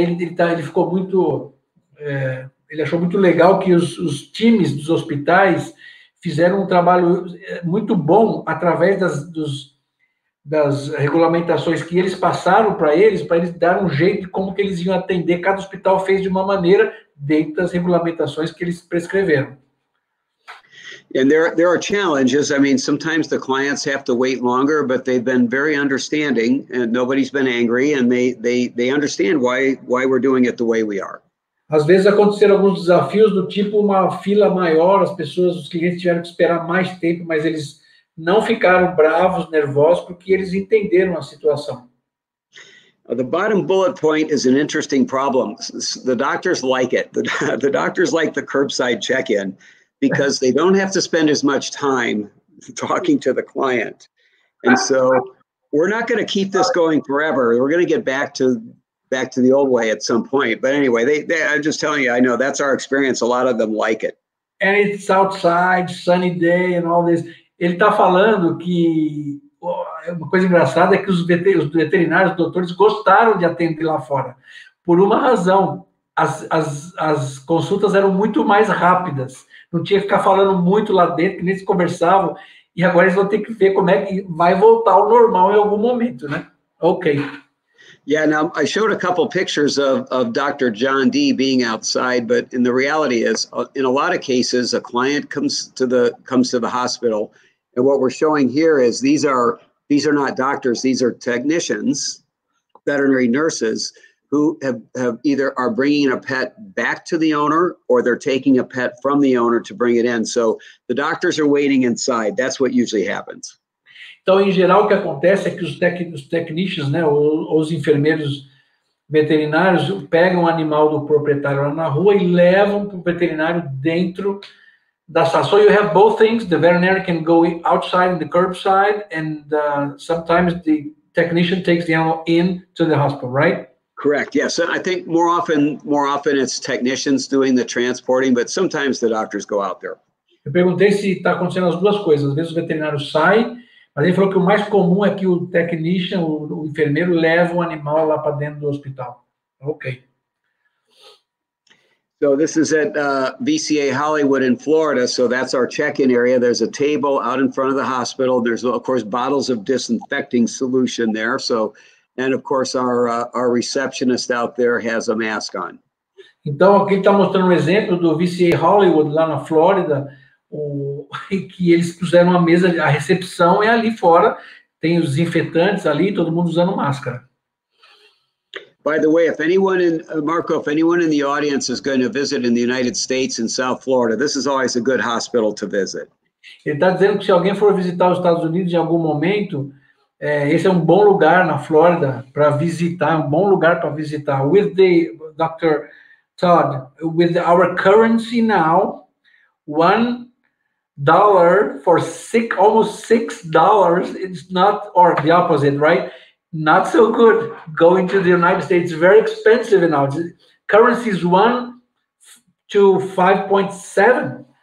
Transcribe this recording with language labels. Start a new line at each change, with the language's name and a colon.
Portuguese: ele ficou muito, ele achou muito legal que os times dos hospitais fizeram um trabalho muito bom através das regulamentações que eles passaram para eles dar um jeito de como que eles iam atender. Cada hospital fez de uma maneira dentro das regulamentações que eles prescreveram.
English: And there are challenges. I mean, sometimes the clients have to wait longer, but they've been very understanding and nobody's been angry and they understand why we're doing it the way we are.
Portuguese: Às vezes aconteceram alguns desafios do tipo uma fila maior, as pessoas, os clientes tiveram que esperar mais tempo, mas eles não ficaram bravos, nervosos, porque eles entenderam a situação.
English: The bottom bullet point is an interesting problem. The doctors like it. The doctors like the curbside check-in. Because they don't have to spend as much time talking to the client. And so we're not going to keep this going forever. We're going to get back to the old way at some point. But anyway, they I'm just telling you, I know that's our experience. A lot of them like it. And it's outside, sunny day and all this.
Portuguese: Ele está falando que uma coisa engraçada é que os veterinários, os doutores, gostaram de atender lá fora. Por uma razão, as consultas eram muito mais rápidas. Não tinha que ficar falando muito lá dentro, que nem se conversavam. E agora eles vão ter que ver como é que vai voltar ao normal em algum momento, né? Ok.
English: Yeah, now, I showed a couple pictures of Dr. John D. being outside, but in the reality is, in a lot of cases, a client comes to the hospital, and what we're showing here is these are not doctors, these are technicians, veterinary nurses, who have either are bringing a pet back to the owner or they're taking a pet from the owner to bring it in. So the doctors are waiting inside. That's what usually happens.
Portuguese: Então, em geral, o que acontece é que os technicians, né, os enfermeiros veterinários pegam o animal do proprietário lá na rua e levam para o veterinário dentro da sala.
English: So you have both things. The veterinarian can go outside in the curbside and sometimes the technician takes the animal in to the hospital, right? Correct. Yes, yeah. So I think more often it's technicians doing the transporting, but sometimes the doctors go out there.
Portuguese: Eu perguntei se está acontecendo as duas coisas. Às vezes o veterinário sai, mas ele falou que o mais comum é que o technician, o enfermeiro, leva o animal lá para dentro do hospital. Okay.
English: So So this is at VCA Hollywood in Florida. So that's our check-in area. There's a table out in front of the hospital. There's, of course, bottles of disinfecting solution there. So, and of course, our receptionist out there has a mask on.
Portuguese: Então, aqui está mostrando um exemplo do VCA Hollywood lá na Flórida, que eles puseram uma mesa, a recepção é ali fora, tem os desinfetantes ali, todo mundo usando máscara.
English: By the way, if anyone in, Marco, if anyone in the audience is going to visit in the United States in South Florida, this is always a good hospital to visit.
Portuguese: Ele está dizendo que se alguém for visitar os Estados Unidos em algum momento, esse é um bom lugar na Flórida para visitar, um bom lugar para visitar.
English: With the Dr. Todd, with our currency now, $1 for six, almost $6, it's not, or the opposite, right? Not so good going to the United States. It's very expensive now. Currency is 1 to 5.7.